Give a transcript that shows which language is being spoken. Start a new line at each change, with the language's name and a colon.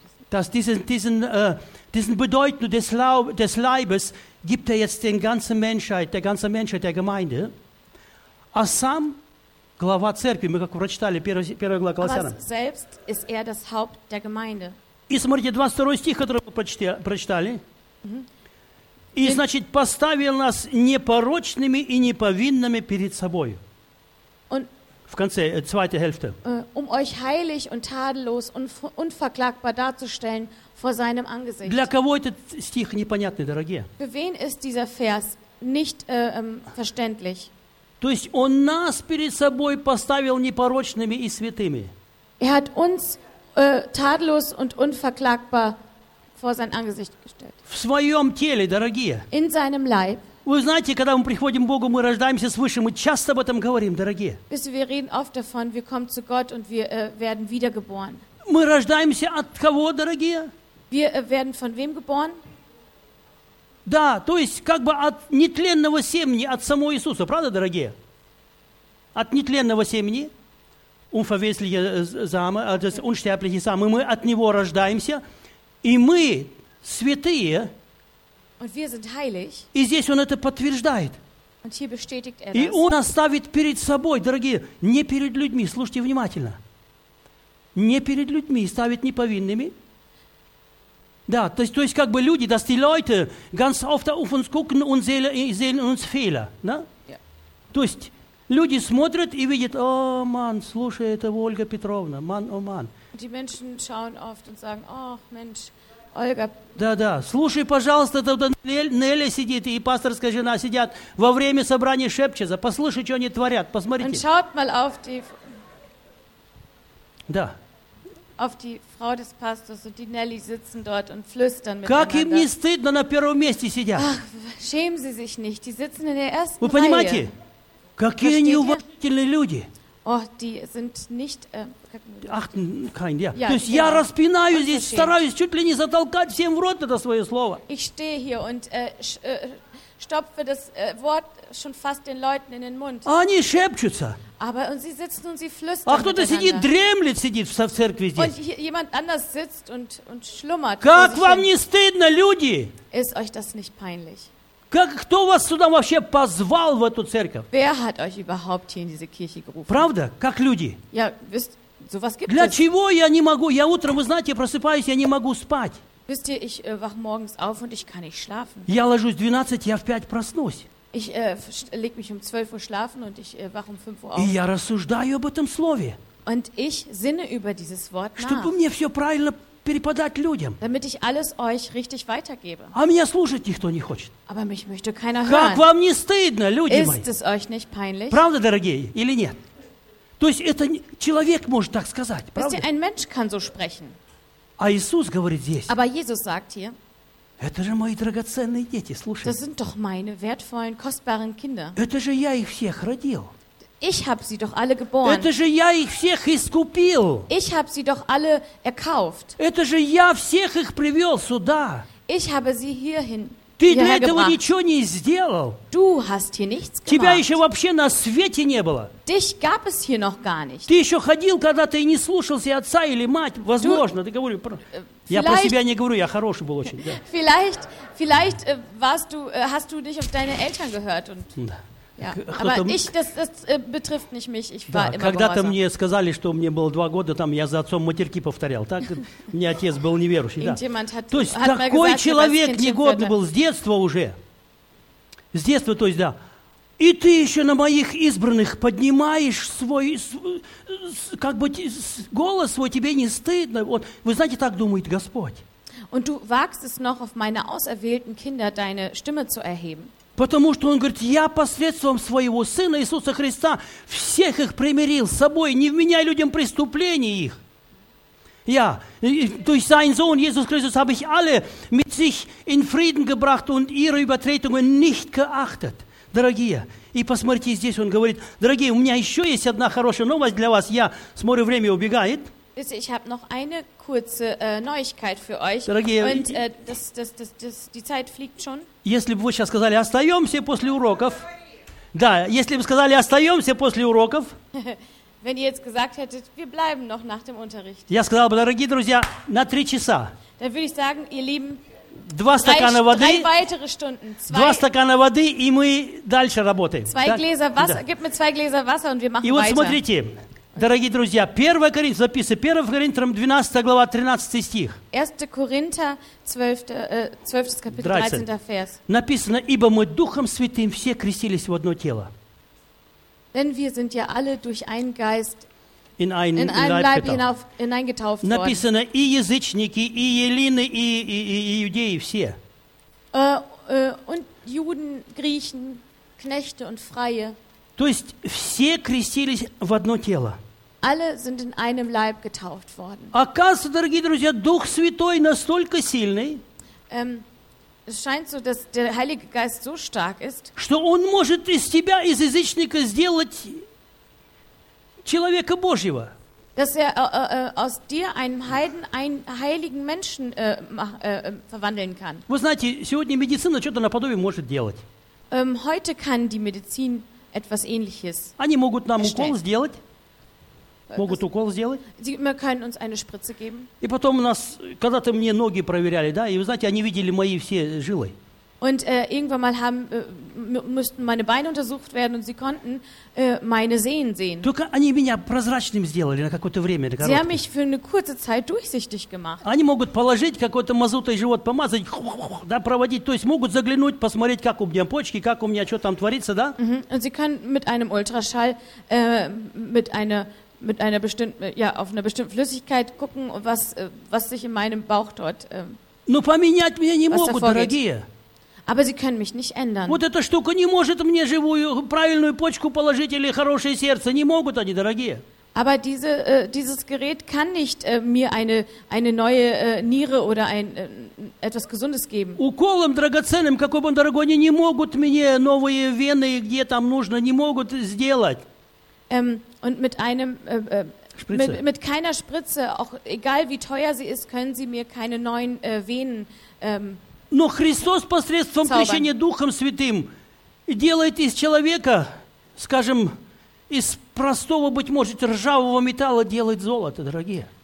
German: Dass diesen Bedeutung des Leibes gibt jetzt den ganzen Menschheit, der ganzen Menschheit, der Gemeinde.
Russian: А сам глава церкви, мы как прочитали, первая глава Колоссянам.
German: Aber selbst ist er das Haupt der Gemeinde.
Russian: И смотрите, 22 стих, который мы прочитали. И значит, поставил нас непорочными и неповинными перед собою. В конце,
German: zweite Hälfte. Um euch heilig und tadellos und unverklagbar darzustellen vor seinem Angesicht.
Russian: Для кого этот стих непонятный, дорогие?
German: Für wen ist dieser Vers nicht verständlich?
Russian: То есть он нас перед собой поставил непорочными и святыми.
German: Er hat uns tadellos und unverklagbar vor sein Angesicht gestellt.
Russian: В своем теле, дорогие.
German: In seinem Leib.
Russian: Вы знаете, когда мы приходим к Богу, мы рождаемся свыше, мы часто об этом говорим, дорогие.
German: Wir reden oft davon, wir kommen zu Gott und wir werden wiedergeboren.
Russian: Мы рождаемся от кого, дорогие?
German: Wir werden von wem geboren?
Russian: Да, то есть как бы от нетленного семени, от самого Иисуса, правда, дорогие? От нетленного семени,
German: unverwesliche Same, das unsterbliche Same,
Russian: мы от него рождаемся, и мы святые.
German: Und wir sind heilig.
Russian: И здесь он это подтверждает.
German: Und hier bestätigt er das.
Russian: И он оставит перед собой, дорогие, не перед людьми, слушайте внимательно, не перед людьми, ставит неповинными. Да, то есть как бы люди,
German: dass die Leute ganz oft auf uns gucken und sehen uns Fehler.
Russian: Да? Yeah. То есть люди смотрят и видят, о, ман, слушай, это Ольга Петровна, ман, о, ман.
German: Und die Menschen schauen oft und sagen, oh, Mensch, Ольга.
Russian: Да-да, слушай, пожалуйста, тут Неля сидит и пасторская жена сидят во время собрания шепчется. Послушай, что они творят, посмотрите.
German: Und schaut mal auf die...
Russian: Да.
German: Auf die Frau des Pastors und die Nelly sitzen dort und flüstern miteinander.
Russian: Как им не стыдно, на первом месте сидят.
German: Ach, schämen sie sich nicht, die sitzen in der ersten Reihe.
Russian: Вы понимаете?
German: Reihe.
Russian: Какие они уважительные люди.
German: Oh, die sind nicht... Achten kein, ja.
Russian: То есть я распинаю здесь, стараюсь чуть ли не затолкать всем в рот это свое слово.
German: Ich stehe hier und stopfe das Wort schon fast den Leuten in den Mund.
Russian: Они шепчутся.
German: Aber und sie sitzen und sie flüstern.
Russian: А кто-то сидит, дремлет, сидит в церкви здесь.
German: Und jemand anders sitzt und schlummert.
Russian: Как вам не стыдно, люди?
German: Ist euch das nicht peinlich?
Russian: Как, кто вас сюда вообще позвал в эту церковь?
German: Wer hat euch überhaupt hier in diese Kirche gerufen?
Russian: Правда? Как люди?
German: Ja, wisst, sowas gibt
Russian: Для
German: es.
Russian: Чего я не могу? Я утром, вы знаете, просыпаюсь, я не могу спать.
German: Wisst ihr, ich wach morgens auf und ich kann nicht schlafen.
Russian: Я ложусь в 12, я в 5 проснусь.
German: Ich leg mich um 12 Uhr schlafen und ich wach um 5 Uhr auf.
Russian: И я рассуждаю об этом слове.
German: Und ich sinne über dieses Wort nach.
Russian: Чтобы мне все правильно Перепадать людям.
German: Damit ich alles euch richtig weitergebe.
Russian: А меня слушать никто не хочет.
German: Aber mich möchte keiner hören.
Russian: Как вам не стыдно, люди
German: Ist
Russian: мои?
German: Es euch nicht peinlich?
Russian: Правда, дорогие, или нет? То есть это человек может так сказать, правда?
German: Ein Mensch kann so sprechen.
Russian: А Иисус говорит здесь.
German: Aber Jesus sagt hier.
Russian: Это же мои драгоценные дети, слушай.
German: Das sind doch meine wertvollen, kostbaren Kinder.
Russian: Это же я их всех родил.
German: Ich habe sie doch alle geboren.
Russian: Это же я их всех искупил.
German: Ich habe sie doch alle erkauft.
Russian: Это же я всех их привёл сюда.
German: Ich habe sie hierhin.
Russian: Ты для этого
German: gebracht.
Russian: Ничего не сделал.
German: Du hast hier nichts gemacht.
Russian: Тебя ещё вообще на свете не было.
German: Dich gab es hier noch gar nicht.
Russian: Ты ещё ходил, когда ты не слушался отца или мать, возможно,
German: du,
Russian: ты говорю про. Я про себя не говорю, я хороший был очень. Да.
German: Vielleicht warst du, hast du nicht auf deine Eltern gehört und.
Russian: Да.
German: Ja, aber ich, das betrifft nicht mich, ich war immer
Russian: когда-то мне сказали, что мне было 2 года, там я за отцом матерки повторял. Так, мне отец был неверующий, да. То есть такой человек негодный был с детства уже. С детства, то есть, да. И ты еще на моих избранных поднимаешь свой, как бы, голос свой, тебе не стыдно. Вот, вы знаете, так думает Господь.
German: Und du wagst es noch auf meine auserwählten Kinder deine Stimme zu erheben.
Russian: Потому что он говорит, я посредством своего Сына Иисуса Христа всех их примирил с собой, не вменяя людям преступления их.
German: Я, durch seinen Sohn Jesus Christus habe ich alle mit sich in Frieden gebracht und ihre Übertretungen nicht geachtet.
Russian: Дорогие, и посмотрите, здесь он говорит, дорогие, у меня еще есть одна хорошая новость для вас. Я смотрю, время убегает.
German: Ich habe noch eine kurze Neuigkeit für euch.
Russian: Дорогие,
German: und das, die Zeit fliegt schon.
Russian: Если бы вы сейчас сказали, остаемся после уроков. Да, если бы сказали, остаемся после уроков.
German: Wenn ihr jetzt gesagt hättet, wir bleiben noch nach dem Unterricht.
Russian: Я сказал бы, дорогие друзья, на 3 часа.
German: Dann würde ich sagen, ihr Lieben,
Russian: 2 стакана воды.
German: 3 weitere Stunden.
Russian: 2 стакана воды, и мы дальше работаем.
German: 2 Gläser Wasser, gib mir 2 Gläser Wasser und wir machen weiter.
Russian: И вот смотрите. Дорогие друзья, 1 Коринфян, записывай, 1 Коринфянам 12 глава, 13 стих. 1 Коринфян, 12 капитул, 13 vers. Написано, ибо мы Духом Святым все крестились в одно тело.
German: Denn wir sind ja alle durch einen Geist hineingetauft worden.
Russian: Написано, и язычники, и еллины, и иудеи все.
German: Und Juden, Griechen, Knechte und Freie.
Russian: То есть все крестились в одно тело.
German: Alle sind in einem Leib getauft worden.
Russian: Оказывается, дорогие друзья, Дух Святой настолько сильный,
German: es scheint so, dass der Heilige Geist so stark ist,
Russian: что он может из тебя, из язычника, сделать человека Божьего.
German: Dass er aus dir einem Heiden einen heiligen Menschen verwandeln kann.
Russian: Вы знаете, сегодня медицина что-то наподобие может делать.
German: Heute kann die Medizin etwas Ähnliches.
Russian: Они могут нам укол сделать. Могут укол сделать.
German: Sie können uns eine Spritze geben.
Russian: И потом у нас, когда-то мне ноги проверяли, да, и вы знаете, они видели мои все жилы.
German: Und irgendwann mal haben müssten meine Beine untersucht werden und sie konnten meine Sehnen sehen.
Russian: Только они меня прозрачным сделали на какое-то время.
German: Sie haben mich für eine kurze Zeit durchsichtig gemacht.
Russian: Они могут положить какой-то мазутой живот помазать, да, проводить, то есть могут заглянуть, посмотреть, как у меня почки, как у меня что там творится, да?
German: Und sie können mit einem Ultraschall mit einer bestimmten, ja, auf einer bestimmten Flüssigkeit gucken, was sich in meinem Bauch dort
Russian: Но поменять меня не могут, дорогие.
German: Aber sie können mich nicht ändern.
Russian: Вот эта штука не может мне живую правильную почку положить или хорошее сердце. Не могут они, дорогие.
German: Aber dieses Gerät kann nicht mir eine neue Niere oder etwas Gesundes geben.
Russian: Уколом драгоценным, какой бы он дорогой, они не могут мне новые вены, где там нужно, не могут сделать.
German: Und mit einem mit keiner Spritze, auch egal wie teuer sie ist, können sie mir keine neuen Venen.
Russian: Но Христос посредством крещения Духом Святым делает из человека, скажем, из простого, быть может, ржавого металла делает золото, дорогие.